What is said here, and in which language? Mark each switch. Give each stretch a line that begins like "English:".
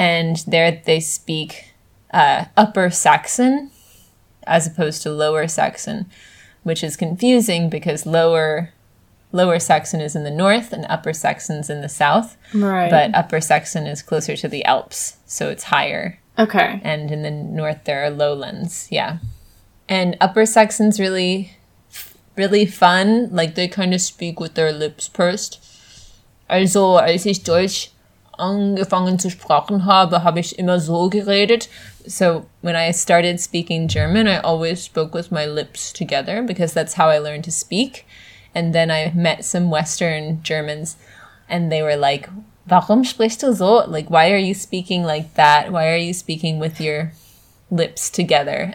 English: and there they speak Upper Saxon as opposed to Lower Saxon, which is confusing because Lower Saxon is in the north and Upper Saxon's in the south. Right. But Upper Saxon is closer to the Alps, so it's higher. Okay. And in the north there are lowlands, yeah. And Upper Saxon's really, really fun. Like, they kind of speak with their lips pursed.
German: Also, als ich Deutsch angefangen zu sprechen habe, habe ich immer so geredet.
English: So when I started speaking German, I always spoke with my lips together because that's how I learned to speak. And then I met some Western Germans and they were like,
German: warum sprichst du so?
English: Like, why are you speaking like that? Why are you speaking with your lips together?